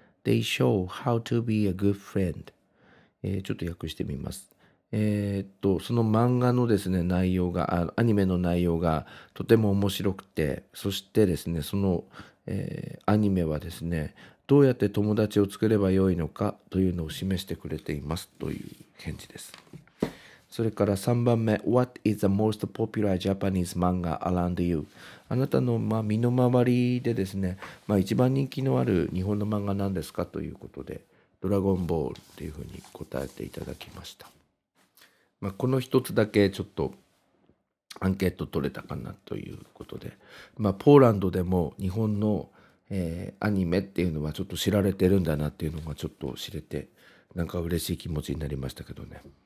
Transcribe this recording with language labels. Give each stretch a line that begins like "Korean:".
English: They show how to be a good friend.
Japanese: ちょっと訳してみます。その漫画のですね、内容が、アニメの内容がとても面白くて、そしてですね、その、アニメはですね、どうやって友達を作ればよいのかというのを示してくれていますという返事です。それから3番目、
English: What is the most popular Japanese manga around you?
Japanese: あなたの、まあ、身の回りでですね、まあ、一番人気のある日本の漫画なんですかということで、ドラゴンボールというふうに答えていただきました。まあ、この一つだけちょっとアンケート取れたかなということで、まあ、ポーランドでも日本の、アニメっていうのはちょっと知られてるんだなっていうのがちょっと知れて、なんか嬉しい気持ちになりましたけどね。